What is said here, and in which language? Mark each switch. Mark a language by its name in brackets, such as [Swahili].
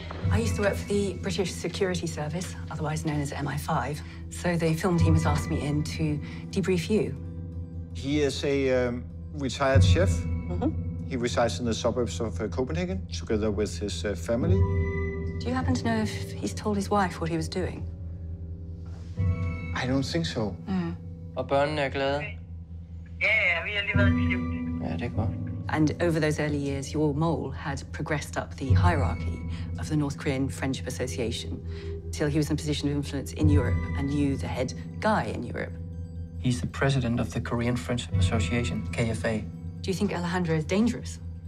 [English] I used to work for the British Security Service, otherwise known as MI5, so the film team has asked me in to debrief you. He is a retired chef. Mm-hmm. He resides in the suburbs of Copenhagen, together with his family. Do you happen to know if he's told his wife what he was doing? I don't think so. [Danish] Mm. Og børnene er glade. Yeah, vi har lige været skiftet. Ja, det er godt. [English] And over those early years, your mole had progressed up the hierarchy of the North Korean Friendship Association till he was in a position of influence in Europe and you the head guy in Europe. He's the president of the Korean Friendship Association, KFA. Do you think Alejandro is dangerous?